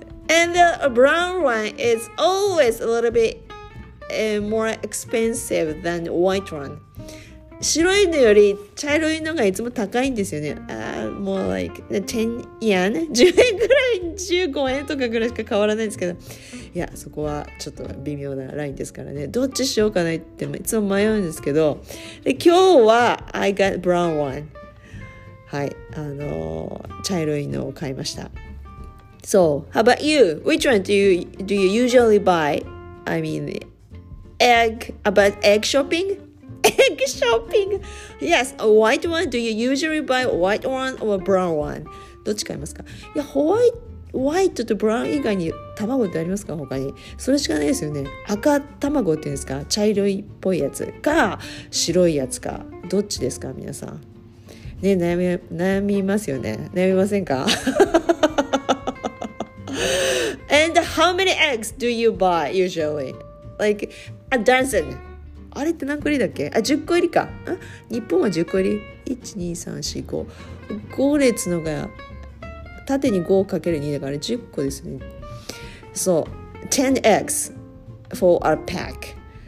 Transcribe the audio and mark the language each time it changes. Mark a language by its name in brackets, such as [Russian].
[English] And the brown one is always a little bit more expensive than white one. [Japanese] 白いのより茶色いのがいつも高いんですよね。 [English] More like 10 yen [Japanese] 10円ぐらい15円とかぐらいしか変わらないんですけど、いやそこはちょっと微妙なラインですからね。どっちしようかなっていつも迷うんですけど、で今日は [English] I got brown one、 [Japanese] はい、茶色いのを買いました。 [English] So how about you? Which one do you usually buy? I mean about egg shoppingEgg shopping! Yes, a white one. Do you usually buy a white one or a brown one? [Japanese] どっち買いますか?いや、white と brown 以外に卵ってありますか?他に。それしかないですよね。赤卵っていうんですか?茶色いっぽいやつか、白いやつか。どっちですか、皆さん。ね、悩みますよね。悩みませんか? [English] And how many eggs do you buy usually? Like a dozen? [Japanese] あれって何個入りだっけ？あ、10個入りか。日本は10個入り。1、2、3、4、5。 5列のが縦に 5×2 だから10個ですね。 [English] そう。10 eggs for a pack。